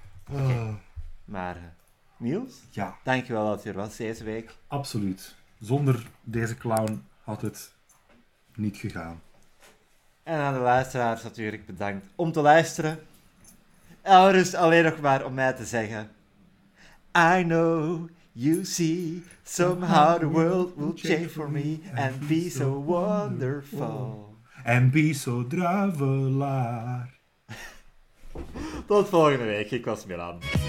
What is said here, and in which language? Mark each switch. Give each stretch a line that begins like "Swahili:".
Dutch: Okay. Maar Niels, dankjewel dat je er was deze week. Absoluut. Zonder deze clown had het niet gegaan. En aan de luisteraars natuurlijk bedankt om te luisteren. En er is alleen nog maar om mij te zeggen.
English: I know you see somehow the world will change for me and be so wonderful. And be so Druivelaar.
Dutch: Tot volgende week, ik was Milan.